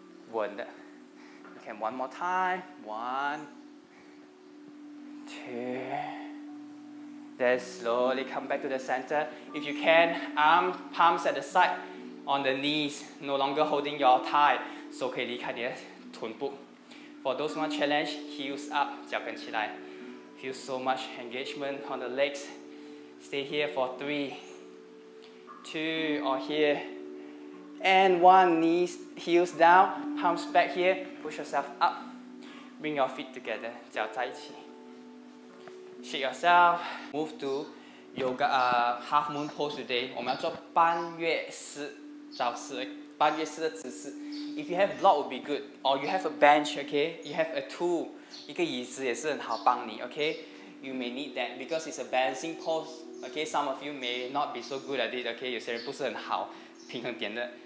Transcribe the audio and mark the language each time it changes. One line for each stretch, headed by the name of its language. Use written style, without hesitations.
English: One. Okay, one more time. One, two. Then slowly come back to the center. If you can, arm palms at the side, on the knees, no longer holding your thigh.
Chinese: So 可以离开你的臀部.
English: For those who want challenge, heels up,
Chinese: 脚跟起来.
English: Feel so much engagement on the legs. Stay here for three, two, or here. And one, knees, heels down, palms back here, push yourself up, bring your feet together,
Chinese: 脚在一起.
English: Shake yourself, move to yoga, half moon pose today.
Chinese: 我们要做半月式的姿势.
English: If you have block, would be good, or you have a bench, okay? You have a tool,
Chinese: 一个椅子也是很好帮你,
English: okay? You may need that because it's a balancing pose, okay? Some of you may not be so good at it, okay?
Chinese: 有些人不是很好平衡点的.